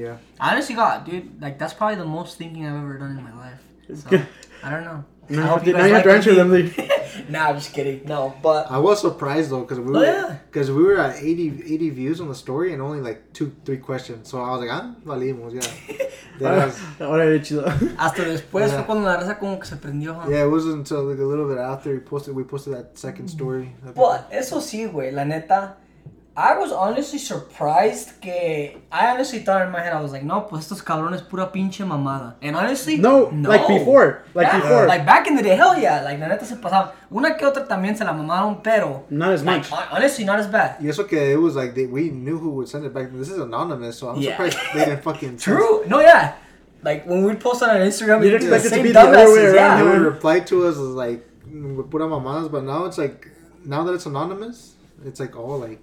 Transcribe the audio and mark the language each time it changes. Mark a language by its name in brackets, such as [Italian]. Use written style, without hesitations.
[English] yeah. I honestly got, dude, like, that's probably the most thinking I've ever done in my life. So, I don't know. No, I hope you guys now you have to answer them. Nah, I'm just kidding. No, but... I was surprised, though, because we were at 80 views on the story and only, like, 2-3 questions. So I was like, ah, valimos, yeah. [Spanish] Ahora era chido. Hasta después fue cuando la raza como que se prendió, huh? [English] Yeah, it wasn't until, like, a little bit after we posted that second story. [Spanish] But eso sí, güey, la neta. [English] I was honestly surprised [Spanish] que... [English] I honestly thought in my head, I was like, [Spanish] no, pues estos cabrones pura pinche mamada. [English] And honestly, no. Like before. Like back in the day, hell yeah. Like, [Spanish] la neta se pasaba. Una que otra también se la mamaron, pero... [English] Not as much. Honestly, not as bad. [Spanish] Y eso que [English] it was like, we knew who would send it back. This is anonymous, so I'm surprised they didn't fucking... True. No, yeah. Like, when we post on our Instagram, you'd expect it to be the other way around. They would reply to us as like, [Spanish] pura mamadas. [English] But now it's like, now that it's anonymous... It's like all like.